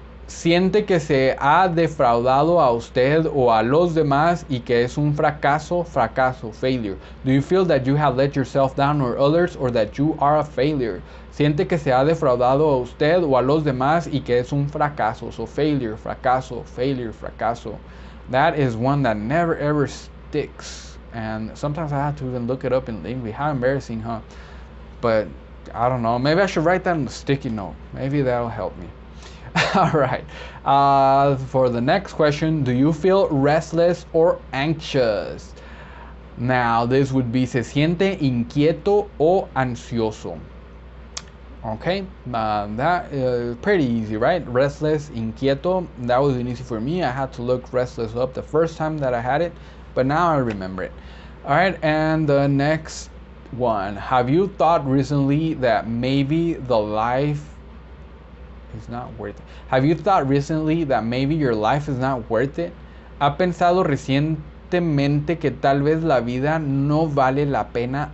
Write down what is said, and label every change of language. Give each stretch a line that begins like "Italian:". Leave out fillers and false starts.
Spanish: Siente que se ha defraudado a usted o a los demás y que es un fracaso, fracaso, failure.
English: Do you feel that you have let yourself down or others or that you are a failure?
Spanish: Siente que se ha defraudado a usted o a los demás y que es un fracaso.
English: So failure, fracaso, failure, fracaso. That is one that never ever sticks. And sometimes I have to even look it up in English. How embarrassing, huh? But I don't know. Maybe I should write that on the sticky note. Maybe that'll help me. All right. For the next question, do you feel restless or anxious? Now, this would be,
Spanish: ¿se siente inquieto o ansioso?
English: Okay, that is pretty easy, right? Restless, inquieto. That was an easy for me. I had to look restless up the first time that I had it, but now I remember it. All right, and the next one. Have you thought recently that maybe the life is not worth it? Have you thought recently that maybe your life is not worth it?
Spanish: ¿Ha pensado recientemente que tal vez la vida no vale la pena?